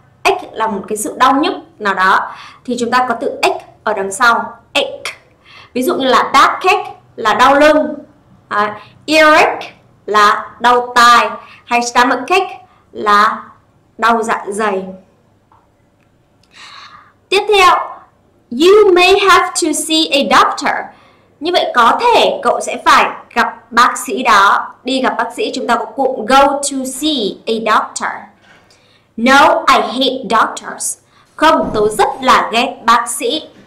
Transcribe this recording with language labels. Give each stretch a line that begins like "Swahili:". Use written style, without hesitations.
Vietnamese: Ache là một cái sự đau nhức nào đó, thì chúng ta có từ ache ở đằng sau, ache. Ví dụ như là backache là đau lưng, earache là đau tai, hay stomachache là đau dạ dày. Tiếp theo,
English: you may have to see a doctor.
Vietnamese: Như vậy có thể cậu sẽ phải gặp bác sĩ đó. Đi gặp bác sĩ, chúng ta có cụm
English: go to see a doctor. No, I hate doctors.
Vietnamese: Không, tớ rất là ghét bác sĩ.